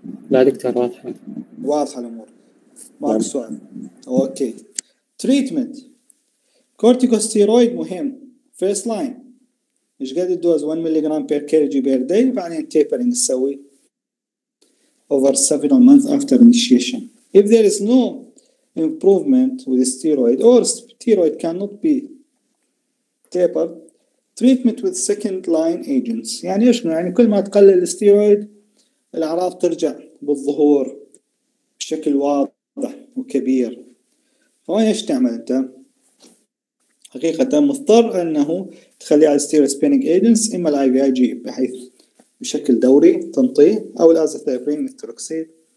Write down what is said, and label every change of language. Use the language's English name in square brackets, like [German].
[Arabic] لا دكتور واضح. واضح الأمور. ماكو سؤال. أوكي. treatment. كورتيكوستيرويد مهم. [English] first line. [Arabic] إيش قد الدوز 1 ملغرام [English] per kg per day. [Arabic] بعدين [English] tapering [Arabic] نسوي. [English] over 7 months after initiation. if there is no improvement with steroid or steroid cannot be tapered, treatment with second line agents. [Arabic] يعني إيش يعني؟ كل ما تقلل الستيرويد الأعراض ترجع بالظهور بشكل واضح وكبير، فوين إيش تعمل أنت؟ حقيقة مضطر أنه تخلي على [English] steroid spinning agents، [Arabic] إما الـ IVIG بحيث بشكل دوري تنطيه، أو الأزاثيبرين والتروكسيد.